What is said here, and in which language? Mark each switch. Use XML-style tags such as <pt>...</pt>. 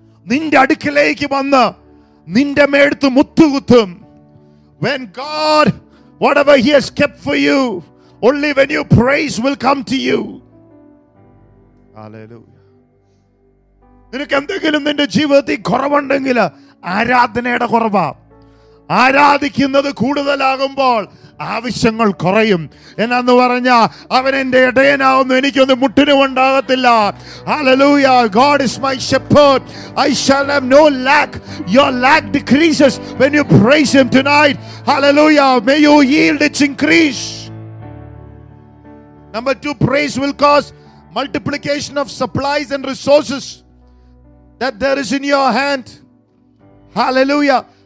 <ml>നിന്റെ അടുക്കലേക്ക് വന്ന് നിന്റെ മേടുത്ത് മുത്തുകുത്തും.</ml> <en>When God, whatever He has kept for you, only when you praise will come to you. Hallelujah.</en> <ml>നിനക്ക് എന്തെങ്കിലും നിന്റെ ജീവിതത്തിൽ കുറവുണ്ടെങ്കിൽ ആരാധനയുടെ കുറവാ. ആരാധിക്കുന്നത് കൂടുതലാകുമ്പോൾ ആവശ്യങ്ങൾ കുറയും. എന്നാന്ന് പറഞ്ഞാ അവൻ എന്റെ ഇടയനാവുന്നു, എനിക്കൊന്ന് മുട്ടിനും ഉണ്ടാകത്തില്ല.</ml> <en>Hallelujah. God is my shepherd, I shall have no lack. Your lack decreases when you praise him tonight. Hallelujah. May you yield its increase. Number two, praise will cause multiplication of supplies and resources that there is in your hand. Hallelujah.</en>